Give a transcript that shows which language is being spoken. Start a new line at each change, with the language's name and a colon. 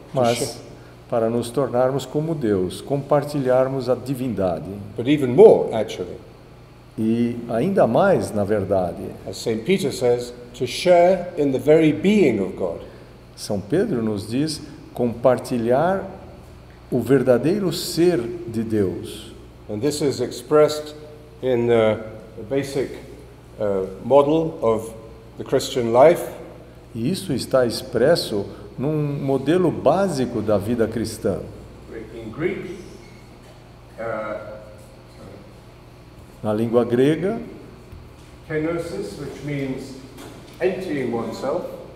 Portuguese: Mas para nos tornarmos como Deus, compartilharmos a divindade.
English: But even more, actually.
Portuguese: E ainda mais, na verdade.
English: As Saint Peter says, to share in the very being of God.
Portuguese: São Pedro nos diz compartilhar o verdadeiro ser de Deus.
English: And this is expressed in the basic model of the Christian life.
Portuguese: E isso está expresso num modelo básico da vida cristã.
English: In Greek,
Portuguese: na língua grega,
English: kenosis, which means emptying oneself.